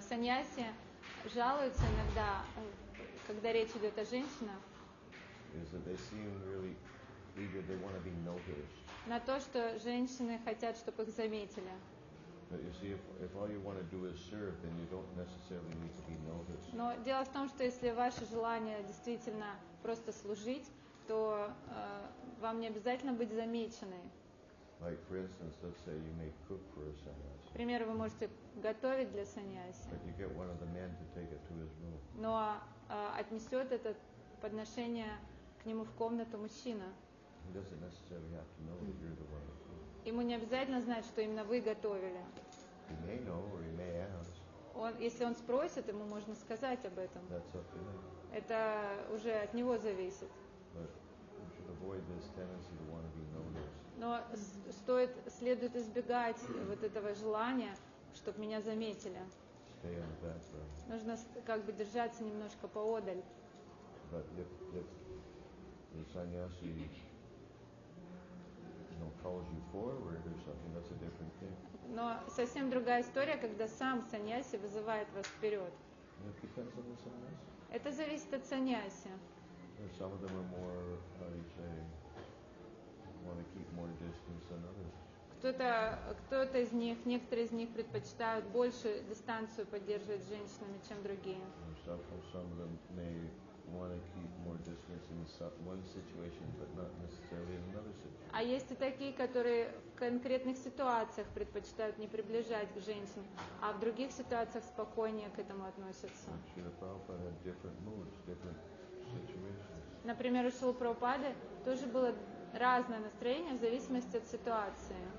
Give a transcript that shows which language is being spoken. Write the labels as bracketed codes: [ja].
[ru] Sannyasi жалуются иногда, когда речь идет о женщинах. [en] Is that they seem really eager, they want to be noticed. [ru] На то, что женщины хотят, чтобы их заметили. [en] But you see, if all you want to do is serve, then you don't necessarily need to be noticed. [ru] Но дело в том, что если ваше желание действительно просто служить, то вам не обязательно быть замечены. [en] Like for instance, let's say you may cook for a sannyasi. [ru] Например, вы можете готовить для sannyasi. [en] But you get one of the men to take it to his room. [ru] Но отнесет это подношение к нему в комнату мужчина. [en] He doesn't necessarily have to know that you're the one. [ru] Ему не обязательно знать, что именно вы готовили. [en] He may know, or he may ask. [ru] Он, если он спросит, ему можно сказать об этом. [en] That's up to him. [ru] Это уже от него зависит. [en] But we should avoid this tendency to want to be noticed. [ru] Но стоит, следует избегать вот этого желания, чтобы меня заметили. [en] Stay in the background. [ru] Нужно как бы держаться немножко поодаль. [en] But if the sannyasi, you know, calls you forward or something, that's a different thing. [ru] Но совсем другая история, когда сам sannyasi вызывает вас вперед. [en] It depends on the sannyasi. [ru] Это зависит от sannyasi. [en] Some of them are more, how do you say, want to keep more distance than others. [ru] Кто-то из них, некоторые из них предпочитают больше дистанцию поддерживать с женщинами, чем другие. [en] Some of them may want to keep more distance in one situation, but not necessarily in another situation. [ru] А есть и такие, которые в конкретных ситуациях предпочитают не приближать к женщинам, а в других ситуациях спокойнее к этому относятся. [en] Шрила Прабхупада had different moods, different situations. [ru] Например, у Шрилы Прабхупады тоже было разное настроение в зависимости от ситуации.